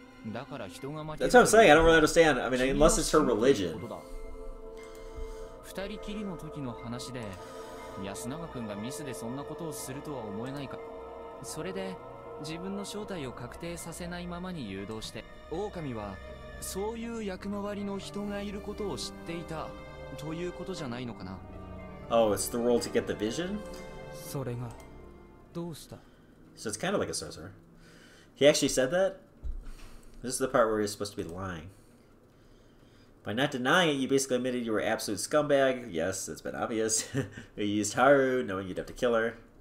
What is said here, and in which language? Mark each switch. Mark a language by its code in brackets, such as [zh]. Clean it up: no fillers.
[en] That's what I'm saying, I don't really understand. I mean, unless it's her religion. [ja] 人きりの時の話で、安永くんがミスでそんなことをするとは思えないか。それで自分の正体を確定させないままに誘導して、狼はそういう役回りの人がいることを知っていたということじゃないのかな。 [en] Oh, it's the role to get the vision? [ja] それがどうした。 [en] So it's kind of like a sorcerer. He actually said that? This is the part where he's supposed to be lying. By not denying it, you basically admitted you were an absolute scumbag. Yes, it's been obvious. You used Haru, knowing you'd have to kill her.